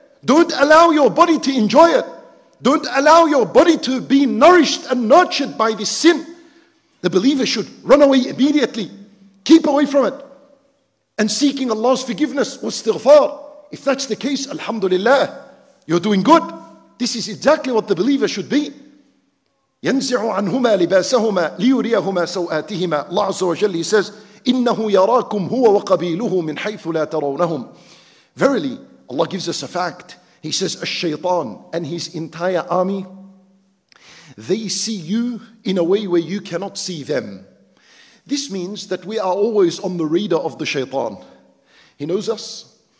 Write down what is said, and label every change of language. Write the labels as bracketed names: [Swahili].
[English] Don't allow your body to enjoy it. Don't allow your body to be nourished and nurtured by this sin. The believer should run away immediately. Keep away from it. And seeking Allah's forgiveness, wastighfar. If that's the case, alhamdulillah, you're doing good. This is exactly what the believer should be. [Arabic] يَنْزِعُ عَنْهُمَا لِبَاسَهُمَا لِيُرِيَهُمَا سَوْآتِهِمَا. [English] Allah Azza wa Jalla, he says, [Arabic] إِنَّهُ يَرَاكُمْ هُوَ وَقَبِيلُهُ مِنْ حَيْثُ لَا تَرَوْنَهُمْ. [English] Verily, Allah gives us a fact. He says, الشيطان and his entire army, they see you in a way where you cannot see them. This means that we are always on the radar of the shaitan. He knows us.